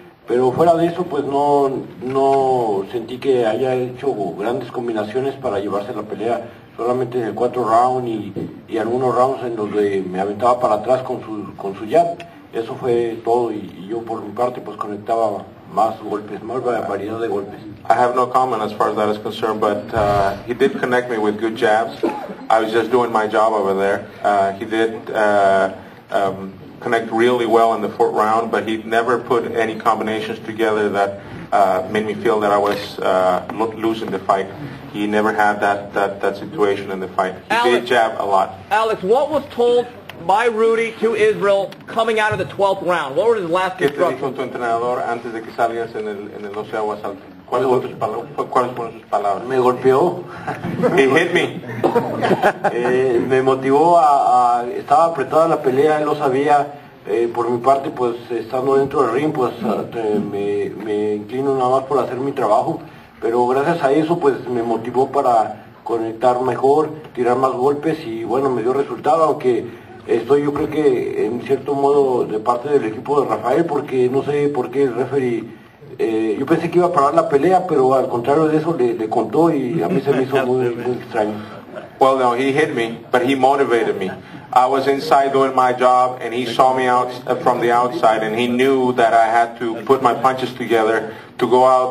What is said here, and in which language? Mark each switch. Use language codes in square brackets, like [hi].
[es] Pero fuera de eso, pues no sentí que haya hecho grandes combinaciones para llevarse la pelea. Solamente en el 4 round y algunos rounds en donde me aventaba para atrás con su jab. Eso fue todo y yo por mi parte pues conectaba más golpes, más variedad de golpes. [en] I have no comment as far as that is concerned, but he did connect me with good jabs. I was just doing my job over there. Connect really well in the fourth round, but he never put any combinations together that made me feel that I was losing the fight. He never had that situation in the fight. He did jab a lot. Alex, what was told by Rudy to Israel coming out of the 12th round? What were his last instructions? [es] ¿Qué te dijo tu entrenador antes de que salías en el 12º asalto? ¿Cuáles fueron sus palabras? Me golpeó. [en] He hit me. [es] Me motivó a... Estaba apretada la pelea, él lo sabía. Por mi parte, pues, estando dentro del ring, pues, me inclino nada más por hacer mi trabajo. Pero gracias a eso, pues, me motivó para conectar mejor, tirar más golpes y, bueno, me dio resultado. Aunque estoy, yo creo que, en cierto modo, de parte del equipo de Rafael, porque no sé por qué el referee... yo pensé que iba a parar la pelea, pero al contrario de eso le contó y a mí se me hizo muy extraño. [en] Well, no, he hit me, but he motivated me. I was inside doing my job, and he saw me out from the outside, and he knew that I had to put my punches together to go out there.